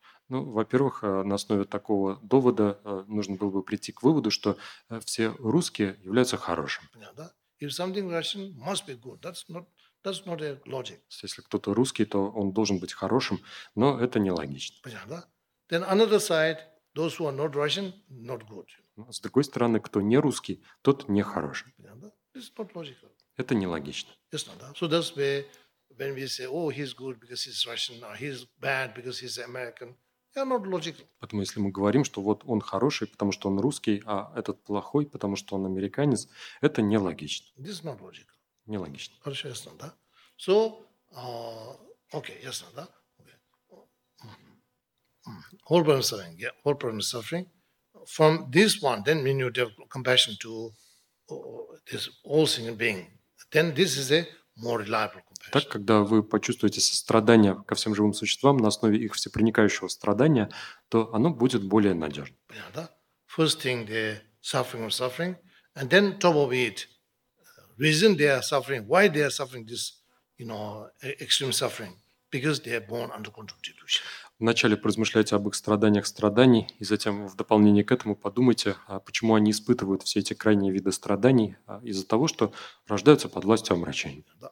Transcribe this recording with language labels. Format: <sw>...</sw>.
<ru>Ну, во-первых, на основе такого довода нужно было бы прийти к выводу, что все русские являются хорошими. Понятно, да?</ru> <en>If something Russian must be good, that's not a logic.</en> <ru>Если кто-то русский, то он должен быть хорошим, но это нелогично. Понятно?</ru> <en>Then another side, those who are not Russian, not good.</en> <ru>С другой стороны, кто не русский, тот не хороший. Понятно?</ru> <en>It's not logical.</en> <ru>Это нелогично.</ru> <en>Yes, no, no. So that's where when we say, oh, he's good because he's Russian, or he's bad because he's American.</en> <ru>Поэтому если мы говорим, что вот он хороший, потому что он русский, а этот плохой, потому что он американец, это нелогично.</ru> <en>This is not logical.</en> <ru>Нелогично. Хорошо, ясно, да?</ru> <en>So, okay,</en> <ru>ясно, да? Okay.</ru> <en>All problems suffering, yeah, all problems suffering. From this one, then when you have compassion to this all single being, then this is a more reliable.</en> <ru>Так, когда вы почувствуете сострадание ко всем живым существам на основе их всепроникающего страдания, то оно будет более надежным. Понятно?</ru> <en>First thing, the suffering of suffering, and then top of it, reason they are suffering, why they are suffering this, you know, extreme suffering, because they are born under control of delusion.</en> <ru>Вначале поразмышляйте об их страданиях страданий, и затем в дополнение к этому подумайте, почему они испытывают все эти крайние виды страданий из-за того, что рождаются под властью омрачения.</ru>